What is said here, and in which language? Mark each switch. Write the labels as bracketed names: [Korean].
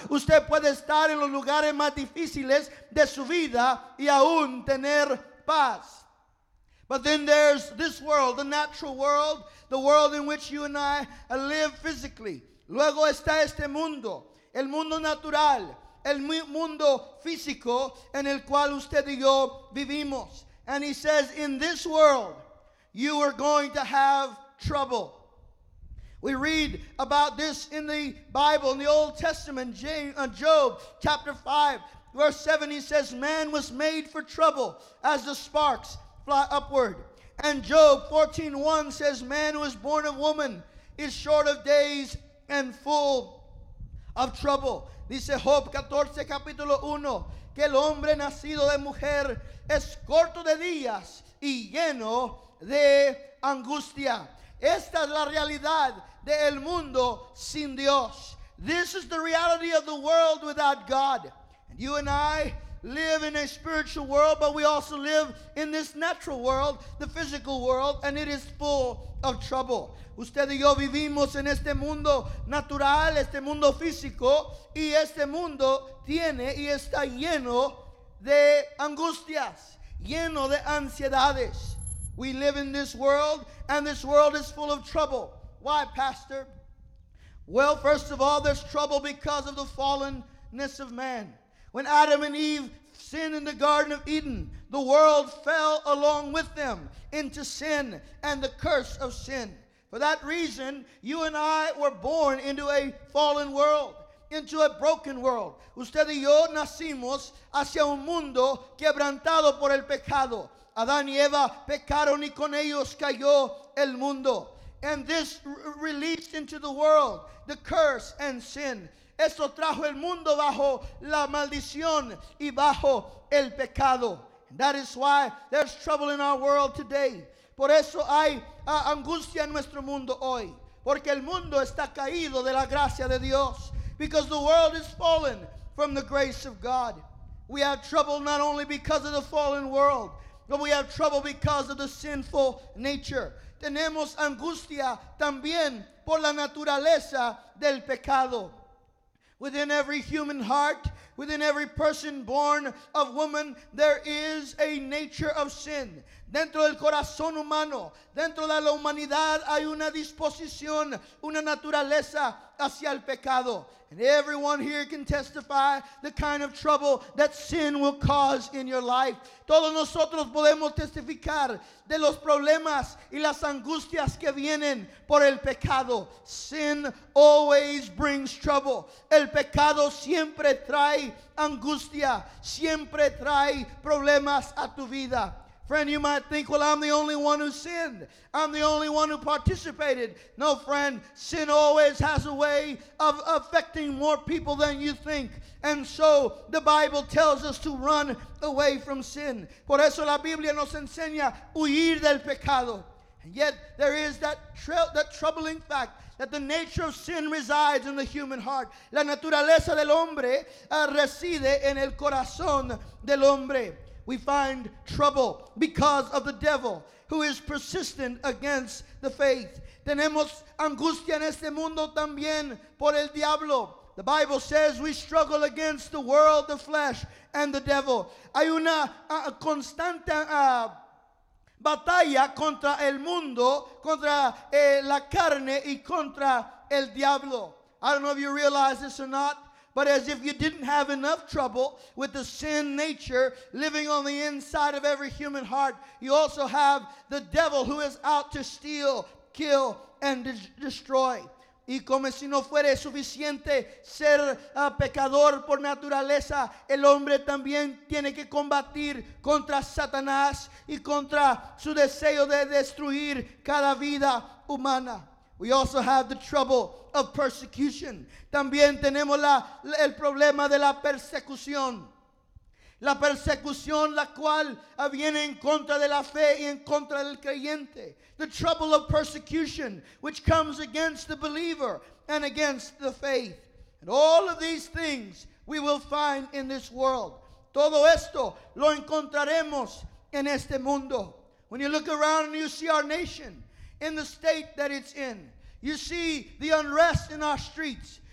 [Spanish] Usted puede estar en los lugares más difíciles de su vida y aún tener paz. [English] But then there's this world, the natural world, the world in which you and I live physically. [Spanish] Luego está este mundo, el mundo natural, el mundo físico en el cual usted y yo vivimos. [English] And he says, in this world, you are going to have trouble. We read about this in the Bible, in the Old Testament, Job chapter 5, verse 7. He says, man was made for trouble as the sparks fly upward. And Job 14:1 says, man who is born of woman is short of days and full of trouble. [Spanish] Dice Job 14, capítulo 1, que el hombre nacido de mujer es corto de días y lleno de angustia. Esta es la realidad del mundo sin Dios. [English] This is the reality of the world without God. And you and I live in a spiritual world, but we also live in this natural world, the physical world, and it is full of trouble. [Spanish] Usted y yo vivimos en este mundo natural, este mundo físico, y este mundo tiene y está lleno de angustias, lleno de ansiedades. [English] We live in this world, and this world is full of trouble. Why, Pastor? Well, first of all, there's trouble because of the fallenness of man. When Adam and Eve sinned in the Garden of Eden, the world fell along with them into sin and the curse of sin. For that reason, you and I were born into a fallen world, into a broken world. [Spanish] Usted y yo nacimos hacia un mundo quebrantado por el pecado. Adán y Eva pecaron y con ellos cayó el mundo. [English] And this released into the world the curse and sin. [Spanish] Esto trajo el mundo bajo la maldición y bajo el pecado. [English] That is why there's trouble in our world today. [Spanish] Por eso hay angustia en nuestro mundo hoy. Porque el mundo está caído de la gracia de Dios. [English] Because the world is fallen from the grace of God. We have trouble not only because of the fallen world, but we have trouble because of the sinful nature. [Spanish] Tenemos angustia también por la naturaleza del pecado. [English] Within every human heart, within every person born of woman, there is a nature of sin. [Spanish] Dentro del corazón humano, dentro de la humanidad, hay una disposición, una naturaleza hacia el pecado. [English] And everyone here can testify the kind of trouble that sin will cause in your life. [Spanish] Todos nosotros podemos testificar de los problemas y las angustias que vienen por el pecado. [English] Sin always brings trouble. [Spanish] El pecado siempre trae angustia, siempre trae problemas a tu vida. [English] Friend, you might think, well, I'm the only one who sinned. I'm the only one who participated. No, friend, sin always has a way of affecting more people than you think. And so the Bible tells us to run away from sin. [Spanish] Por eso la Biblia nos enseña huir del pecado. [English] And yet there is that troubling fact that the nature of sin resides in the human heart. [Spanish] La naturaleza del hombre reside en el corazón del hombre. [English] We find trouble because of the devil who is persistent against the faith. [Spanish] Tenemos angustia en este mundo también por el diablo. [English] The Bible says we struggle against the world, the flesh, and the devil. [Spanish] Hay una constante batalla contra el mundo, contra la carne y contra el diablo. [English] I don't know if you realize this or not. But as if you didn't have enough trouble with the sin nature living on the inside of every human heart, you also have the devil who is out to steal, kill, and destroy. [Spanish] Y como si no fuere suficiente ser pecador por naturaleza, el hombre también tiene que combatir contra Satanás y contra su deseo de destruir cada vida humana. [English] We also have the trouble of persecution. [Spanish] También tenemos el problema de la persecución. La persecución la cual viene en contra de la fe y en contra del creyente. [English] The trouble of persecution which comes against the believer and against the faith. And all of these things we will find in this world. [Spanish] Todo esto lo encontraremos en este mundo. [English] When you look around and you see our nation in the state that it's in, you see the unrest in our streets.